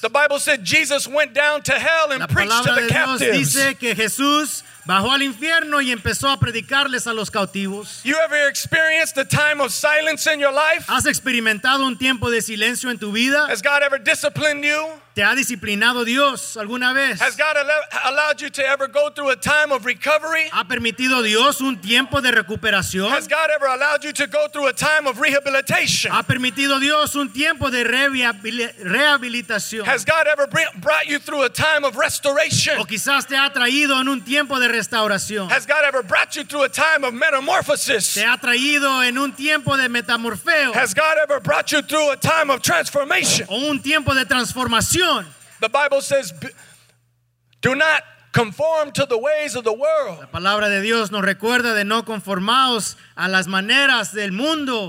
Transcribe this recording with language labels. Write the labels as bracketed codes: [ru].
[en] The Bible said Jesus went down to hell and preached to the captives. [es] La palabra de Dios dice que Jesús bajó al infierno y empezó a predicarles a los cautivos. [en] You ever experienced a time of silence in your life? [es] ¿Has experimentado un tiempo de silencio en tu vida? [en] Has God ever disciplined you? [es] ¿Te ha disciplinado Dios alguna vez? [en] Has God allowed you to ever go through a time of recovery? [es] ¿Ha permitido Dios un tiempo de recuperación? [en] Has God ever allowed you to go through a time of rehabilitation? [es] ¿Ha permitido Dios un tiempo de rehabilitación? [en] Has God ever brought you through a time of restoration? [es] ¿O quizás te ha traído en un tiempo de restauración? [en] Has God ever brought you through a time of metamorphosis? [es] ¿Te ha traído en un tiempo de metamorfeo? [en] Has God ever brought you through a time of transformation? [es] ¿O un tiempo de transformación? [en] The Bible says, "Do not conform to the ways of the world." [es] La palabra de Dios nos recuerda de no conformaos a las maneras del mundo.